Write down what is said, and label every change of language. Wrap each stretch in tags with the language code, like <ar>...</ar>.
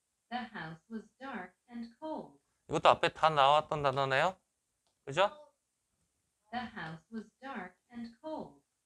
<en>the house was dark and cold.</en> <ko>이것도 앞에 다 나왔던 단어네요. 그죠?</ko> <en>the house was dark and cold.</en>